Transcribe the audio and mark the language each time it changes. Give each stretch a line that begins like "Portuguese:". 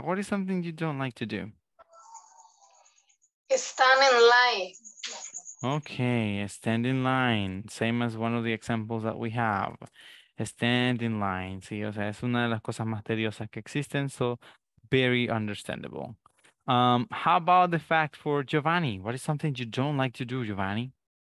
English: What is something you don't like to do? Stand in line. Okay, stand in line. Same as one of the examples that we have. Stand in line.
Spanish: Sí, o sea, es una de las cosas más tediosas que existen.
English: So, very understandable. How about the fact for Giovanni? What is something you don't like to do, Giovanni?